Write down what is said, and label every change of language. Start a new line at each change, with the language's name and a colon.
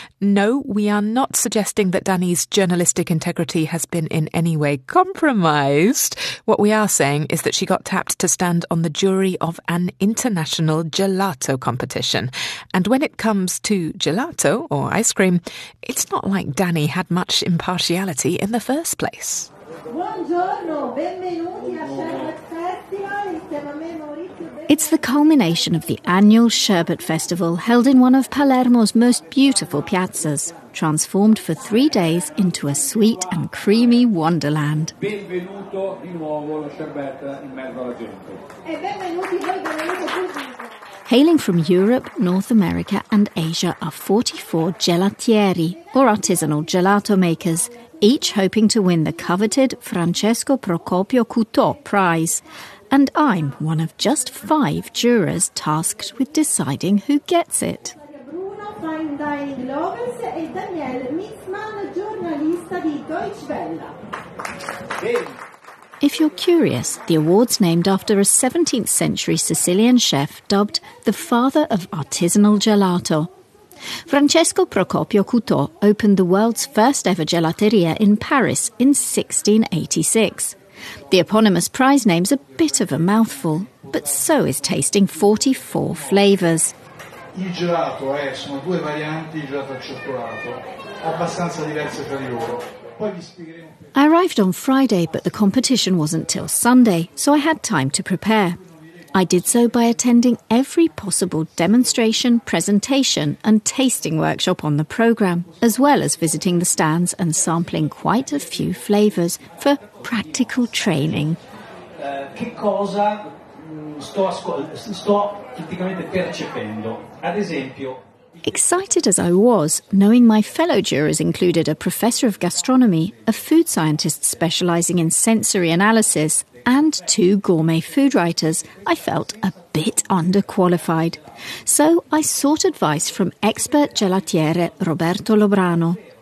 English: No, we are not suggesting that Danny's journalistic integrity has been in any way compromised. What we are saying is that she got tapped to stand on the jury of an international gelato competition. And when it comes to gelato or ice cream, it's not like Danny had much impartiality in the first place.
Italian: Buongiorno, benvenuti a Festival.
English: It's the culmination of the annual Sherbet Festival held in one of Palermo's most beautiful piazzas, transformed for 3 days into a sweet and creamy wonderland.
Italian: Benvenuto di nuovo lo Sherbet in mezzo alla gente. E benvenuti voi, benvenuti tutti.
English: Hailing from Europe, North America and Asia are 44 gelatieri, or artisanal gelato makers, each hoping to win the coveted Francesco Procopio Couto Prize. And I'm one of just five jurors tasked with deciding who gets it. Bruno, Fine Dining Lovers, and Daniel Mitzman, journalist of Deutsche Welle. If you're curious, the award's named after a 17th century Sicilian chef dubbed the father of artisanal gelato. Francesco Procopio Couto opened the world's first ever gelateria in Paris in 1686. The eponymous prize name's a bit of a mouthful, but so is tasting 44 flavours.
Italian: Il gelato è sono due varianti di gelato al cioccolato, abbastanza diverse tra di loro.
English: I arrived on Friday, but the competition wasn't till Sunday, so I had time to prepare. I did so by attending every possible demonstration, presentation, and tasting workshop on the programme, as well as visiting the stands and sampling quite a few flavours for practical training.
Italian: Che cosa sto praticamente percependo? Ad esempio.
English: Excited as I was, knowing my fellow jurors included a professor of gastronomy, a food scientist specialising in sensory analysis, and two gourmet food writers, I felt a bit underqualified. So I sought advice from expert gelatiere Roberto Lobrano.